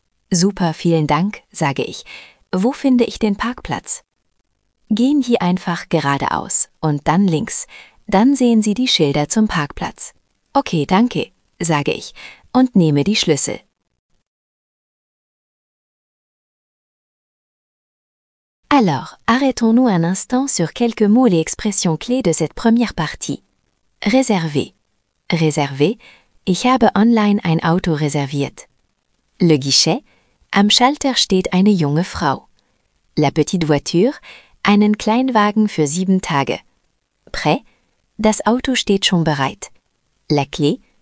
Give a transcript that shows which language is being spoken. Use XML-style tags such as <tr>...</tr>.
<de>Super, vielen Dank, sage ich. Wo finde ich den Parkplatz? Gehen Sie einfach geradeaus und dann links. Dann sehen Sie die Schilder zum Parkplatz. Okay, danke, sage ich und nehme die Schlüssel.</de> <fr>Alors, arrêtons-nous un instant sur quelques mots et expressions clés de cette première partie. Réserver. Réserver.</fr> <de>Ich habe online ein Auto reserviert.</de> <fr>Le guichet.</fr> <de>Am Schalter steht eine junge Frau.</de> <fr>La petite voiture.</fr> <de>Einen Kleinwagen für 7 Tage. Prêt. Das Auto steht schon bereit.</de> <fr>La clé.</fr>